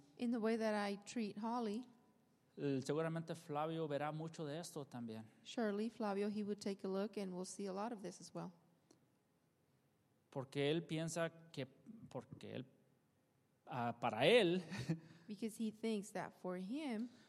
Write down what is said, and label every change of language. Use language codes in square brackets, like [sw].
[en] In the way that I treat Holly. [es] Seguramente Flavio verá mucho de esto también. [en] Surely Flavio, he would take a look and we'll see a lot of this as well. [es] Porque él piensa que, porque él, para él. [en] Because he thinks that for him.